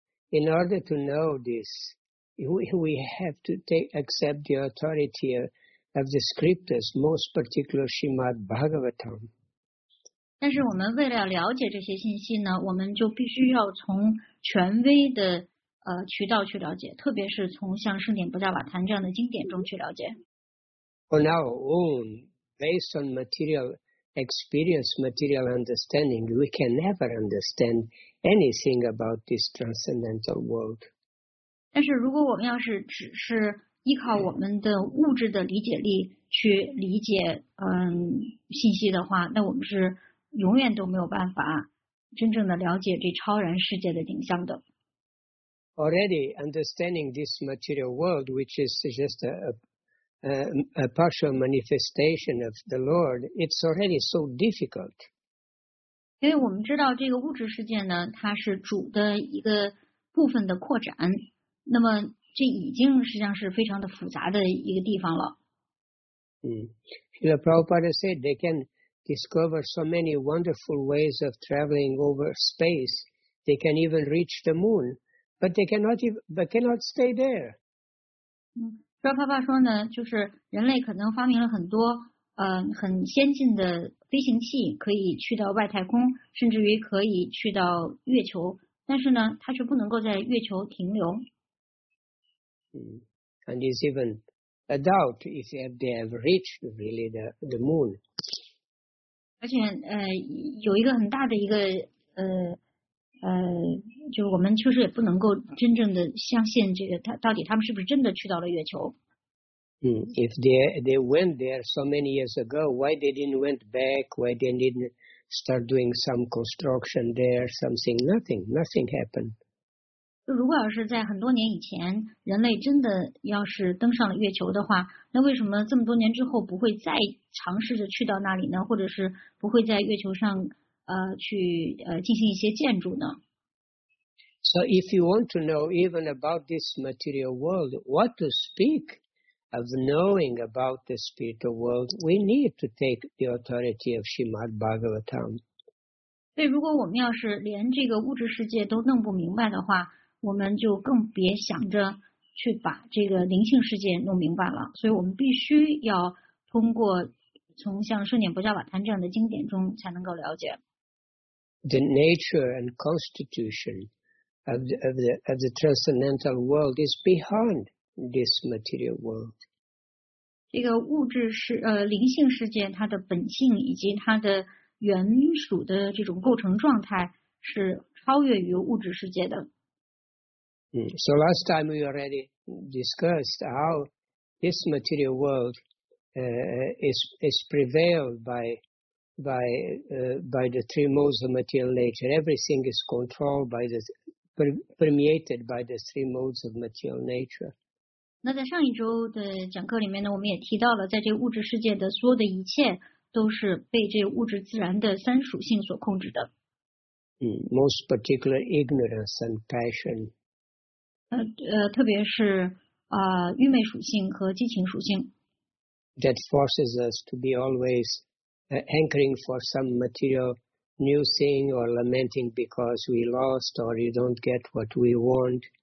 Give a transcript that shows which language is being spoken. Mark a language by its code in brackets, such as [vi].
[en] In order to know this, we have to accept the authority of the scriptures, most particularly Srimad Bhagavatam. [zh] 但是我们为了了解这些信息呢，我们就必须要从权威的渠道去了解，特别是从像《圣典·不加瓦坛》这样的经典中去了解。 [en] On our own. Based on material experience, material understanding, we can never understand anything about this transcendental world. [zh] 但是如果我们要是只是依靠我们的物质的理解力去理解信息的话，那我们是永远都没有办法真正的了解这超然世界的景象的。 [en] already understanding this material world, which is just a partial manifestation of the Lord, it's already so difficult. [zh] 因为我们知道这个物质世界呢，它是主的一个部分的扩展，那么这已经实际上是非常的复杂的一个地方了。 [en] Srila Prabhupada said they can discover so many wonderful ways of traveling over space. They can even reach the moon, but they cannot stay there. [zh] 嗯，说爸爸说呢，就是人类可能发明了很多很先进的飞行器，可以去到外太空，甚至于可以去到月球，但是呢，它却不能够在月球停留。 [en] And it's even a doubt if they have reached really the moon. [zh] 而且有一个很大的一个就是我们确实也不能够真正的相信这个到底他们是不是真的去到了月球。 [en] If they went there so many years ago, why they didn't went back? Why they didn't start doing some construction there? Something, nothing happened. [zh] 如果要是在很多年以前，人类真的要是登上了月球的话，那为什么这么多年之后不会再尝试着去到那里呢？或者是不会在月球上进行一些建筑呢？ [en] So if you want to know even about this material world, what to speak? Of knowing about the spiritual world, we need to take the authority of Srimad Bhagavatam. [zh] 所以如果我们要是连这个物质世界都弄不明白的话，我们就更别想着去把这个灵性世界弄明白了。所以我们必须要通过从像《顺典不教法坛》这样的经典中才能够了解。 [en] The nature and constitution of the transcendental world is beyond. This material world. [zh] 这个物质是灵性世界，它的本性以及它的原属的这种构成状态是超越于物质世界的。 [en] So last time we already discussed how this material world is prevailed by the three modes of material nature. Everything is controlled by the permeated by the three modes of material nature. [zh] 那在上一周的讲课里面呢，我们也提到了，在这物质世界的所有的一切都是被这物质自然的三属性所控制的。 [en] Most particular ignorance and passion. [zh] 特别是愚昧属性和激情属性。 [en] That forces us to be always hankering for some material new thing or lamenting because we lost or you don't get what we want.